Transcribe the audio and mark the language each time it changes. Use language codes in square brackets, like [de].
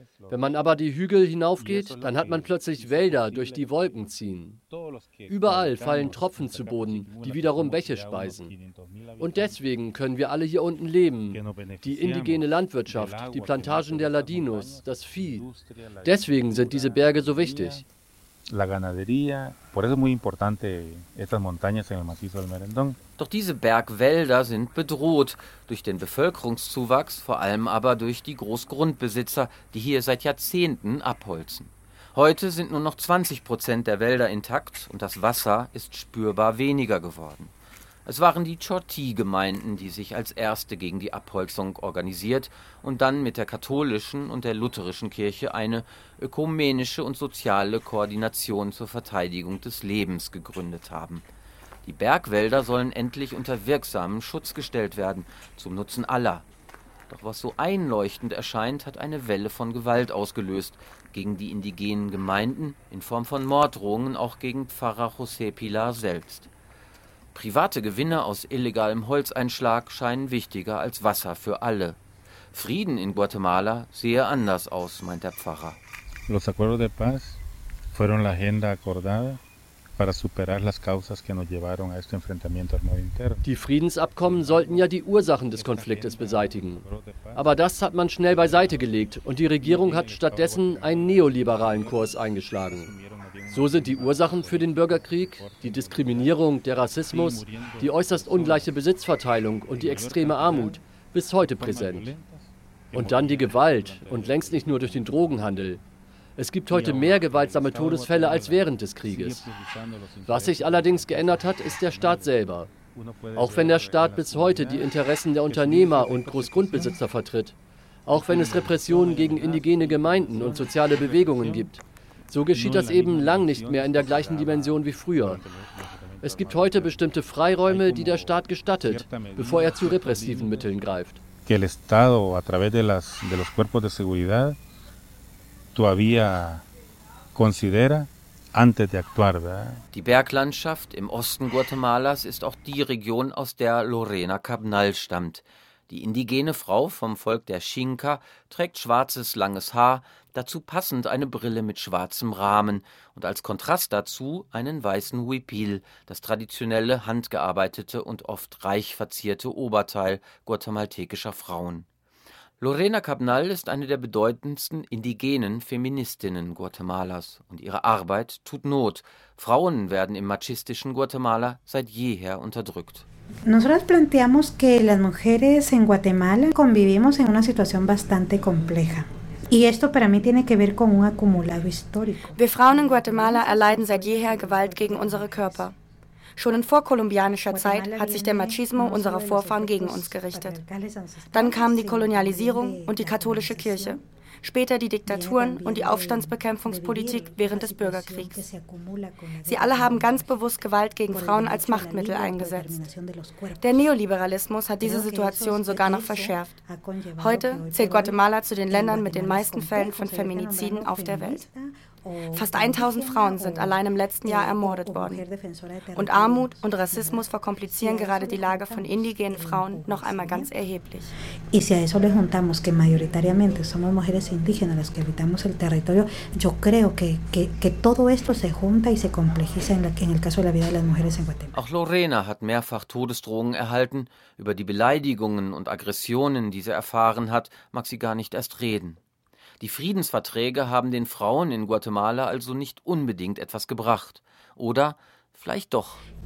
[de] Wenn man aber die Hügel hinaufgeht, dann hat man plötzlich Wälder, durch die Wolken ziehen. Überall fallen Tropfen zu Boden, die wiederum Bäche speisen. Und deswegen können wir alle hier unten leben. Die indigene Landwirtschaft, die Plantagen der Ladinos, das Vieh. Deswegen sind diese Berge so wichtig. [es] La ganadería, por eso es muy importante estas montañas en el macizo del Merendón. [de] Doch diese Bergwälder sind bedroht durch den Bevölkerungszuwachs, vor allem aber durch die Großgrundbesitzer, die hier seit Jahrzehnten abholzen. Heute sind nur noch 20% der Wälder intakt und das Wasser ist spürbar weniger geworden. Es waren die Chorti-Gemeinden, die sich als erste gegen die Abholzung organisiert und dann mit der katholischen und der lutherischen Kirche eine ökumenische und soziale Koordination zur Verteidigung des Lebens gegründet haben. Die Bergwälder sollen endlich unter wirksamen Schutz gestellt werden, zum Nutzen aller. Doch was so einleuchtend erscheint, hat eine Welle von Gewalt ausgelöst. Gegen die indigenen Gemeinden, in Form von Morddrohungen, auch gegen Pfarrer José Pilar selbst. Private Gewinne aus illegalem Holzeinschlag scheinen wichtiger als Wasser für alle. Frieden in Guatemala sehe anders aus, meint der Pfarrer. [es] Los acuerdos de paz fueron la agenda acordada para superar las causas que nos llevaron a este enfrentamiento armado interno. [de] Die Friedensabkommen sollten ja die Ursachen des Konfliktes beseitigen. Aber das hat man schnell beiseite gelegt und die Regierung hat stattdessen einen neoliberalen Kurs eingeschlagen. So sind die Ursachen für den Bürgerkrieg, die Diskriminierung, der Rassismus, die äußerst ungleiche Besitzverteilung und die extreme Armut bis heute präsent. Und dann die Gewalt und längst nicht nur durch den Drogenhandel. Es gibt heute mehr gewaltsame Todesfälle als während des Krieges. Was sich allerdings geändert hat, ist der Staat selber. Auch wenn der Staat bis heute die Interessen der Unternehmer und Großgrundbesitzer vertritt, auch wenn es Repressionen gegen indigene Gemeinden und soziale Bewegungen gibt, so geschieht das eben lang nicht mehr in der gleichen Dimension wie früher. Es gibt heute bestimmte Freiräume, die der Staat gestattet, bevor er zu repressiven Mitteln greift. [es] El Estado a través de los cuerpos de seguridad todavía considera antes de actuar, ¿verdad? [de] Die Berglandschaft im Osten Guatemalas ist auch die Region, aus der Lorena Cabnal stammt. Die indigene Frau vom Volk der Xinka trägt schwarzes, langes Haar, dazu passend eine Brille mit schwarzem Rahmen und als Kontrast dazu einen weißen Huipil, das traditionelle, handgearbeitete und oft reich verzierte Oberteil guatemaltekischer Frauen. Lorena Cabnal ist eine der bedeutendsten indigenen Feministinnen Guatemalas und ihre Arbeit tut Not. Frauen werden im machistischen Guatemala seit jeher unterdrückt. [es] Nosotros planteamos que las mujeres en Guatemala convivimos en una situación bastante compleja. Y esto para mí tiene que ver con un acumulado histórico. [de] Wir Frauen in Guatemala erleiden seit jeher Gewalt gegen unsere Körper. Schon in vorkolumbianischer Zeit hat sich der Machismo unserer Vorfahren gegen uns gerichtet. Dann kam die Kolonialisierung und die katholische Kirche. Später die Diktaturen und die Aufstandsbekämpfungspolitik während des Bürgerkriegs. Sie alle haben ganz bewusst Gewalt gegen Frauen als Machtmittel eingesetzt. Der Neoliberalismus hat diese Situation sogar noch verschärft. Heute zählt Guatemala zu den Ländern mit den meisten Fällen von Feminiziden auf der Welt. Fast 1000 Frauen sind allein im letzten Jahr ermordet worden. Und Armut und Rassismus verkomplizieren gerade die Lage von indigenen Frauen noch einmal ganz erheblich. [es] Y si a eso le juntamos que mayoritariamente somos mujeres indígenas las que habitamos el territorio, yo creo que todo esto se junta y se complejiza en el caso de la vida de las mujeres en Guatemala. [de] Auch Lorena hat mehrfach Todesdrohungen erhalten. Über die Beleidigungen und Aggressionen, die sie erfahren hat, mag sie gar nicht erst reden. Die Friedensverträge haben den Frauen in Guatemala also nicht unbedingt etwas gebracht. Oder vielleicht doch.